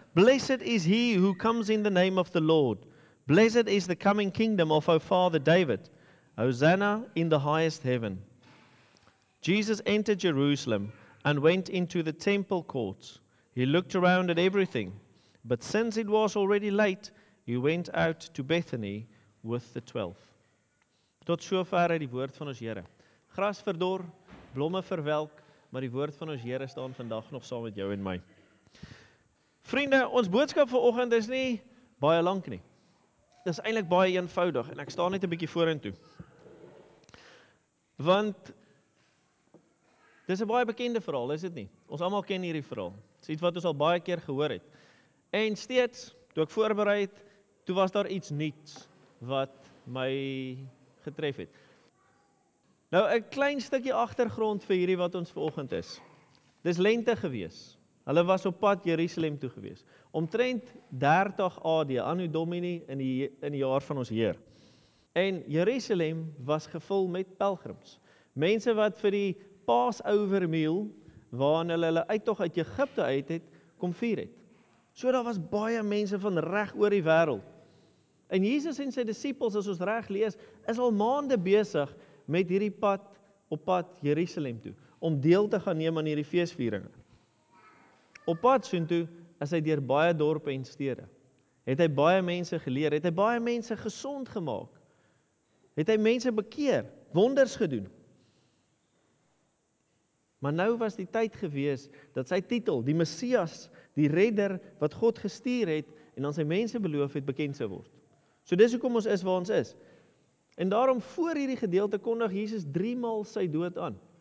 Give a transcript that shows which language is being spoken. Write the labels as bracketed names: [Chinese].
[English] Blessed is he who comes in the name of the Lord. Blessed is the coming kingdom of our father David. Hosanna in the highest heaven. Jesus entered Jerusalem and went into the temple courts. He looked around at everything, but since it was already late, he went out to Bethany with the 12. [Afrikaans] Tot sover uit die woord van ons Here. Gras verdor, blomme verwelk, maar die woord van ons Here staan vandag nog saam met jou en my. Vriende, ons boodskap vir oggend is nie baie lank nie. Dit is eintlik baie eenvoudig en ek staan net 'n bietjie vorentoe. Want, dit is een baie bekende verhaal, is dit nie? Ons allemaal ken hierdie verhaal. Dit is iets wat ons al baie keer gehoor het. En steeds, toe ek voorbereid, toe was daar iets niets wat my getref het. Nou, een klein stukje achtergrond vir hierdie wat ons vanoggend is. Dit is lente gewees. Hulle was op pad Jerusalem toe gewees. Omtrent 30 AD, Anno Domini, in die jaar van ons Heer. En Jerusalem was gevul met pelgrims. Mense wat vir die Passover meal, waarin hulle uittog uit Egypte uit het, kom vier het. So daar was baie mense van reg oor die wêreld. En Jesus en sy disippels, as ons reg lees, is al maande besig met hierdie pad op pad Jerusalem toe, om deel te gaan neem aan hierdie feestvieringe. Op pad soontoe is hy deur baie dorpe en stede. Het hy baie mense geleer, het hy baie mense gesond gemaak. Het hy mense bekeer, wonders gedoen. Maar nou was die tyd gewees dat sy titel, die Messias, die Redder wat God gestuur het en aan sy mense beloof het, bekend sou word. So dis hoekom ons is waar ons is. En daarom voor hierdie gedeelte kondig Jesus 3 maal sy dood aan.